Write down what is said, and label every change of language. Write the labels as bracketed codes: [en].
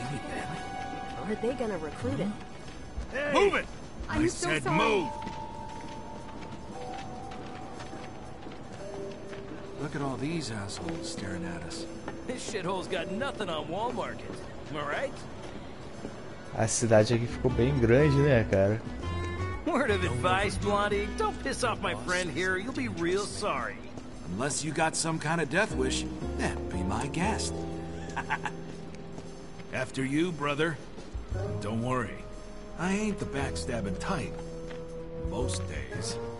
[en] bad? Are they gonna recruit him? Hey, move it! I'm I so said sorry. Move! Look look at all these assholes staring at us. This shithole's got nothing on Wall Market, am I right? [pt] A cidade aqui ficou bem grande, né, cara? [en] Word of advice, Blondie. Don't piss off my friend here. You'll be real sorry. Unless you got some kind of death wish, then be my guest. After you, brother. Don't worry. I ain't the backstabbing type. Most days.